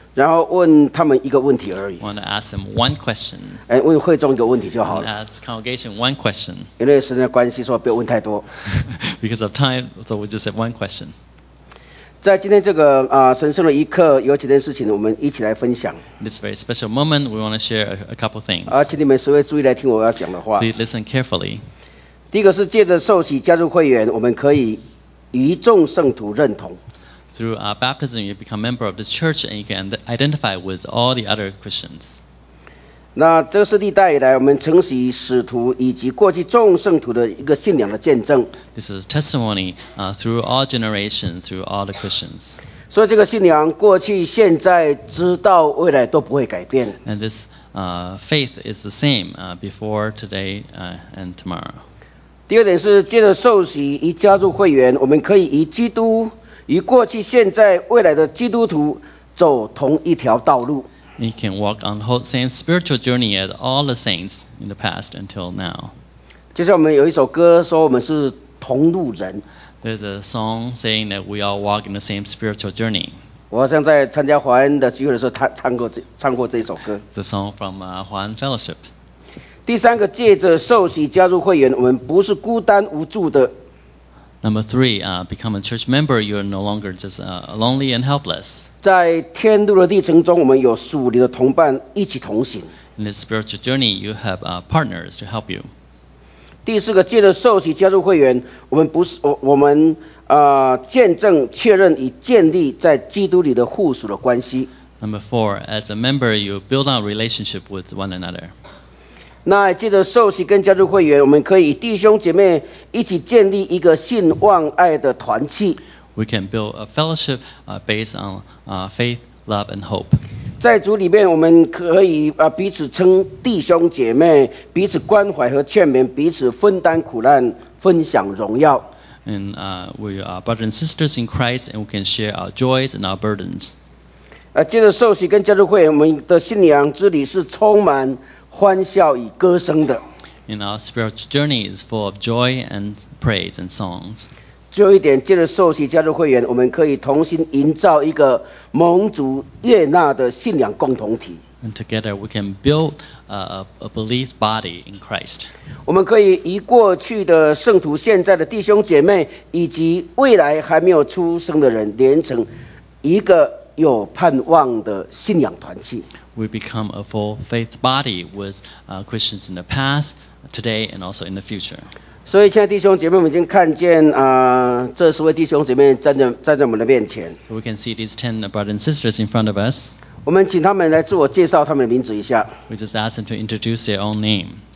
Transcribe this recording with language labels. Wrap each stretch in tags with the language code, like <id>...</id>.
<zh>然后问他们一个问题而已。</zh> <en>I want to ask them one question.</en> <zh>哎，问会众一个问题就好了。</zh> <en>Ask congregation one question.</en> <zh>因为时间的关系，所以不要问太多。</zh> <en>Because of time, so we just have one question.</en> <zh>在今天这个神圣的一刻，有几件事情我们一起来分享。</zh> <en>This very special moment, we want to share a couple things.</en> <zh>而请你们稍微注意来听我要讲的话。</zh> <en>Please listen carefully.</en> <zh>第一个是借着受洗加入会员，我们可以与众圣徒认同。</zh> <en>Through our baptism, you become a member of this church, and you can identify with all the other Christians.</en> <zh>那这是历代以来我们承袭使徒以及过去众圣徒的一个信仰的见证。</zh> <en>This is testimony, through all generations, through all the Christians.</en> <zh>所以这个信仰过去、现在、直到未来都不会改变。</zh> <en>And this, faith is the same, before, today, and tomorrow.</en> <zh>第二点是借着受洗以加入会员，我们可以与基督、与过去、现在、未来的基督徒走同一条道路。</zh> <en>You can walk on the same spiritual journey as all the saints in the past until now.</en> <zh>就像我们有一首歌说我们是同路人。</zh> <en>There's a song saying that we all walk in the same spiritual journey.</en> <zh>我好像在参加华恩的聚会的时候唱过这首歌。</zh> <en>The song from华恩Fellowship.</en> <zh>第三个，借着受洗加入会员，我们不是孤单无助的。</zh> <en>Number three, become a church member, you're no longer just lonely and helpless.</en> <zh>在天路的历程中，我们有属灵的同伴一起同行。</zh> <en>In this spiritual journey, you have partners to help you.</en> <zh>第四个，借着受洗加入会员，我们不是我们见证确认与建立在基督里的互属的关系。</zh> <en>Number four, as a member, you build a relationship with one another.</en> <zh>那借着受洗跟加入会员，我们可以与弟兄姐妹一起建立一个信望爱的团契。</zh> <en>We can build a fellowship based on faith, love, and hope.</en> <zh>在主里面，我们可以彼此称弟兄姐妹，彼此关怀和劝勉，彼此分担苦难，分享荣耀。</zh> <en>And we are brothers and sisters in Christ, and we can share our joys and our burdens.</en> <zh>借着受洗跟加入会员，我们的信仰之旅是充满。欢笑与歌声的。</zh> <en>In our spiritual journey is full of joy and praise and songs.</en> <zh>最后一点，借着受洗加入会员，我们可以同心营造一个蒙主悦纳的信仰共同体。</zh> <en>And together we can build a belief body in Christ.</en> <zh>我们可以与过去的圣徒、现在的弟兄姐妹以及未来还没有出生的人连成一个。有盼望的信仰团契。</zh> <en>We become a full faith body with Christians in the past, today, and also in the future.</en> <zh>所以，亲爱的弟兄姐妹，我们已经看见这十位弟兄姐妹站在我们的面前。</zh> <en>So we can see these 10 brothers and sisters in front of us.</en> <zh>我们请他们来自我介绍他们的名字一下。</zh> <en>We just ask them to introduce their own name.</en>